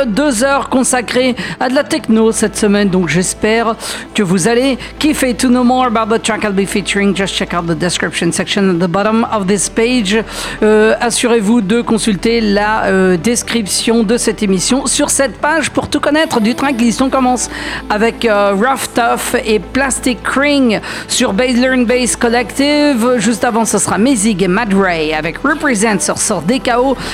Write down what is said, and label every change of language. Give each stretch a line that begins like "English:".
French: 2 heures consacrées à de la techno cette semaine, donc j'espère que vous allez kiffer.
English: To know more about the track I'll be featuring, just check out the description section at the bottom of this page.
French: Assurez-vous de consulter la description de cette émission sur cette page pour tout connaître du tracklist. On commence avec Ruff Tuff et Plastic Cring sur Base Learn Base Collective. Juste avant, ce sera MEZIGUE et Mad Ray avec Represent sur sort D.KO.